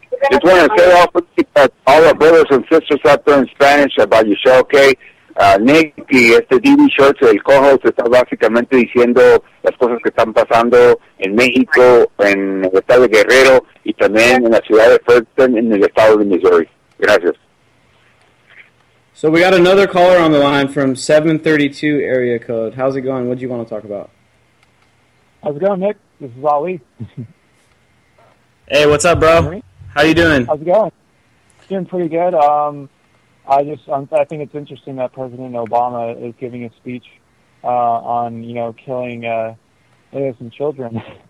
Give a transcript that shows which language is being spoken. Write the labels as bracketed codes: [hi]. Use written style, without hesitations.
[en] Just want to say all the brothers and sisters out there in Spanish about your show, okay? [es] Nicky, este DD Shorts, el co-host, está básicamente diciendo las cosas que están pasando en México, en el estado de Guerrero, y también en la ciudad de Ferguson, en el estado de Missouri. Gracias. [en] So we got another caller on the line from 732 area code. How's it going? What do you want to talk about? How's it going, Nick? This is Ali. Hey, what's up, bro? How you doing? How's it going? Doing pretty good. I think it's interesting that President Obama is giving a speech on, you know, killing innocent children.